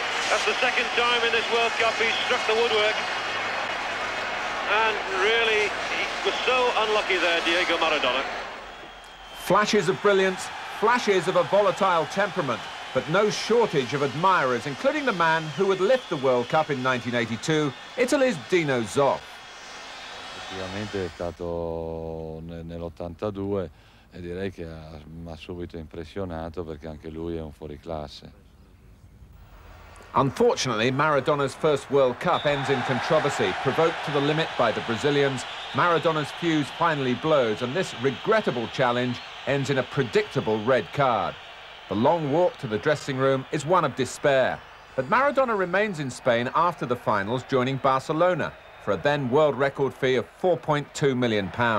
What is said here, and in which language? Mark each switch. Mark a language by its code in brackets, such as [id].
[en] That's the second time in this World Cup he's struck the woodwork. And really, he was so unlucky there, Diego Maradona. Flashes of brilliance, flashes of a volatile temperament, but no shortage of admirers, including the man who would lift the World Cup in 1982, Italy's Dino Zoff. [it] Effettivamente è stato nell'82 e direi che mi ha subito impressionato perché anche lui è un fuoriclasse. [en] Unfortunately, Maradona's first World Cup ends in controversy. Provoked to the limit by the Brazilians, Maradona's fuse finally blows and this regrettable challenge ends in a predictable red card. The long walk to the dressing room is one of despair. But Maradona remains in Spain after the finals, joining Barcelona for a then world record fee of £4.2 million.